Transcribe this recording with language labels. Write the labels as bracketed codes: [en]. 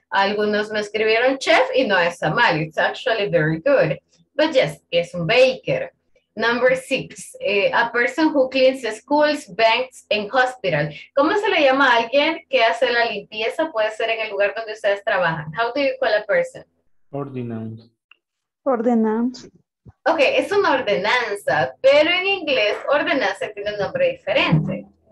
[es] Algunos me escribieron chef y no está mal. [en] It's actually very good. But yes, [es] es un [en] baker. Number six, a person who cleans schools, banks, and hospitals. [es] ¿Cómo se le llama a alguien que hace la limpieza? Puede ser en el lugar donde ustedes trabajan. [en] How do you call a person? Ordinance. Ordinance. [es] Ok, es una ordenanza, pero en inglés ordenanza tiene un nombre diferente.